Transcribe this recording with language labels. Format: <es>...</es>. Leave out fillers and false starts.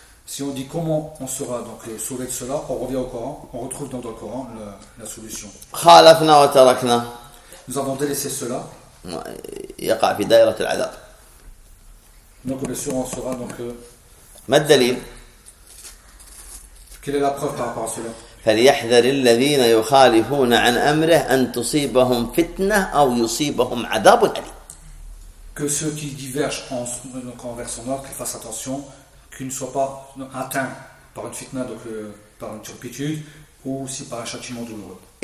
<fr>Si on dit comment on sera donc sauvé de cela, on revient au Coran, on retrouve dans le Coran la solution.</fr> <ar>خالفنا وتركنا.</ar> <fr>Nous avons délaissé cela.</fr> <ar>يقع في دائرة العذاب.</ar> <fr>Donc bien sûr on sera donc.</fr> <ar>ما الدليل؟</ar> <fr>Quelle est la preuve par rapport à cela؟</fr> <ar>فليحذر الذين يخالفون عن أمره أن تصيبهم فتنة أو يصيبهم عذاب أليم.</ar> <fr>Que ceux qui divergent en donc envers son ordre qu'ils fassent attention. Qu'il ne soit pas atteint par une fitna, donc par une turpitude, ou si par un châtiment douloureux.</fr>